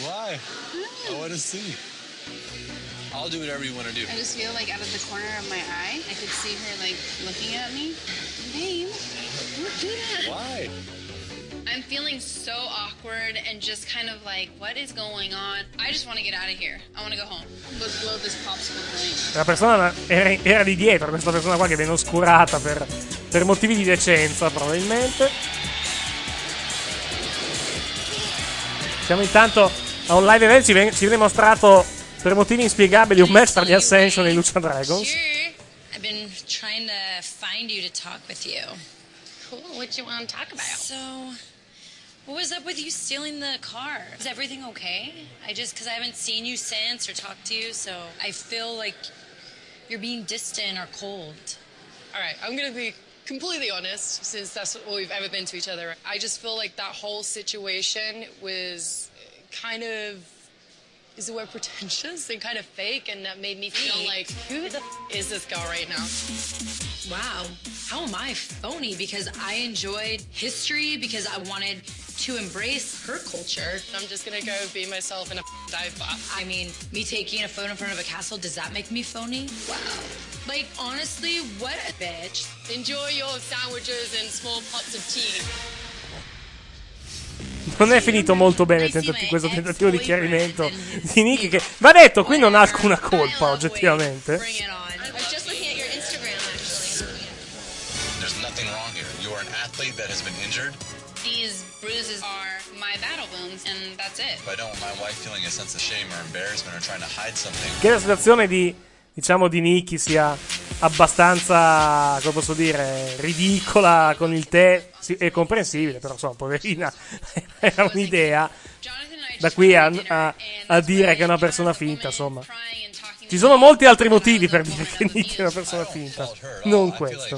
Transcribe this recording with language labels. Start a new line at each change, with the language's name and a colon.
English: Why? I want to see. I'll do whatever you want to do. I just feel like out of the corner of my eye, I could see her like looking at me. Babe, don't do that. Why? I'm feeling so awkward and just kind of like, what is going on? I just want to get out of here. I want to go home. Let's blow this popsicle thing.
Italian: La persona era di dietro, questa persona qua che viene oscurata per motivi di decenza, probabilmente. Siamo intanto a un live event, ci viene mostrato per motivi inspiegabili un match tra di Ascension e Lucha Dragons.
English: Sure. I've been trying to find you to talk with you. Cool. What you want to talk about? So, what was up with you stealing the car? Is everything okay? I just, because I haven't seen you since or talked to you, so I feel like you're being distant or cold. All right, I'm going to be completely honest, since that's what we've ever been to each other. I just feel like that whole situation was kind of, is the word pretentious and kind of fake, and that made me feel like, who the f*** is this girl right now? Wow, how am I phony? Because I enjoyed history, because I wanted to embrace her culture. I'm just gonna go be myself in a dive bar. I mean, me taking a phone in front of a castle, does that make me phony? Wow. Like, honestly, what a bitch. Enjoy your sandwiches and small pots of tea.
Italian: Non è finito molto bene questo tentativo di chiarimento di Nikki, che va detto qui non ha alcuna colpa oggettivamente.
English: There's nothing wrong here. You are an athlete that has been injured. These bruises are my battle wounds and that's it. But I don't want my wife feeling a sense of shame or embarrassment or trying to hide something.
Italian: Che la situazione di, diciamo, di Nikki sia abbastanza, come posso dire, ridicola con il tè, sì, è comprensibile, però insomma, poverina, era un'idea. da qui a dire che è una persona finta, insomma. Ci sono molti altri motivi per dire che Nick è una persona finta, non questo.